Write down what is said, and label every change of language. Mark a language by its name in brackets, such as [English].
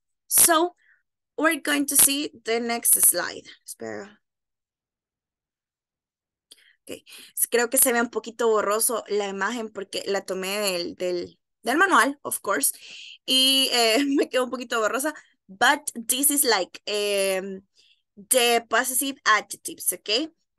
[English] So, we're going to see the next slide. [Spanish] Espera. [English] Okay. [Spanish] Creo que se ve un poquito borroso la imagen porque la tomé del manual, [English] of course. [Spanish] Y me quedó un poquito borrosa. [English] But this is like the possessive adjectives, okay?